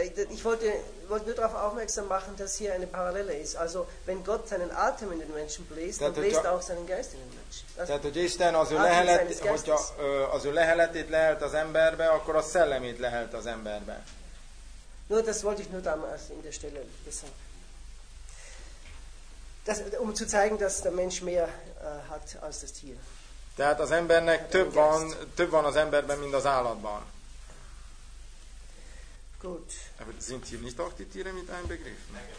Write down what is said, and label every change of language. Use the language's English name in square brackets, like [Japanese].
[German] Ich wollte nur darauf aufmerksam machen, dass hier eine Parallele ist. Also, wenn Gott seinen Atem in den Menschen bläst, dann bläst auch seinen Geist in den Menschen. [Hungarian] Tehát, hogy Isten az ő lehelet, hogyha az ő leheletét lehelt az emberbe, akkor a szellemét lehelt az emberbe. [German] Nur, das wollte ich nur damals in der Stelle wissen. Das, um zu zeigen, dass der Mensch mehr hat als das Tier. [Hungarian] Tehát az embernek több van az emberben, mint az állatban. [German] Gut. Aber sind hier nicht auch die Tiere mit einbegriffen?